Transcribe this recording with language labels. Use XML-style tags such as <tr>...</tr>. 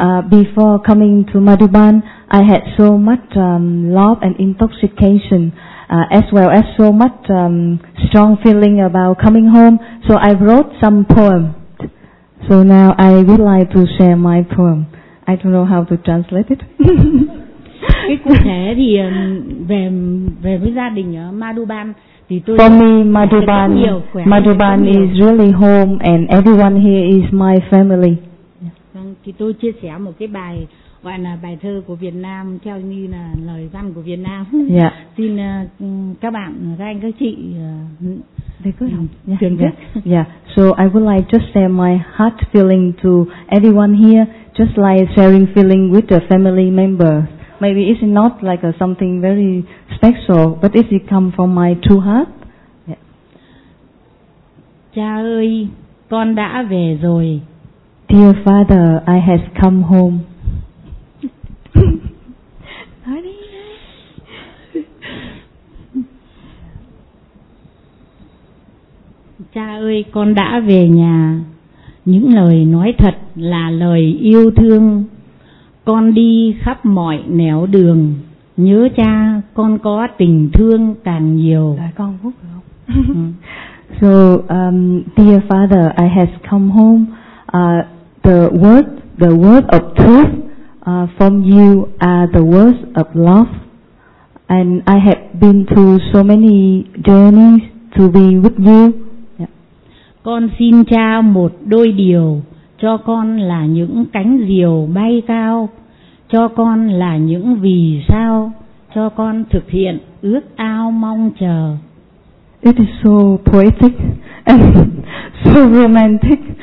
<en>Before coming to Madhuban, I had so much love and intoxication, as well as so much strong feeling about coming home. So I wrote some poem. So now I would like to share my poem. I don't know how to translate it.</en> <vi>Cái cụ thể thì về với gia đình ở Madhuban thì tôi</vi> <en>for me Madhuban is really home and everyone here is my family.</en> <vi>Thì tôi chia sẻ một cái bài gọi là bài thơ của Việt Nam theo như là lời văn của Việt Nam. Yeah. Xin các bạn, các anh, các chị để cứ lòng truyền biết. Yeah.</vi> <en>So I would like just share my heart feeling to everyone here, just like sharing feeling with the family members. Maybe it's not like something very special, but if it come from my true heart. Yeah.</en> <vi>Cha ơi, con đã về rồi.</vi> <en>Dear Father, I have come home.</en> <vi>Cha ơi, con đã về nhà. Những lời nói thật là lời yêu thương. Con đi khắp mọi nẻo đường. Nhớ cha, con có tình thương càng nhiều.</vi> <en>So, dear Father, I have come home. The word of truth from you are the words of love, and I have been through so many journeys to be with you. Yeah.</en> <vi>Con xin cha một đôi điều, cho con là những cánh diều bay cao, cho con là những vì sao, cho con thực hiện ước ao mong chờ.</vi> <en>It is so poetic and so romantic.</en>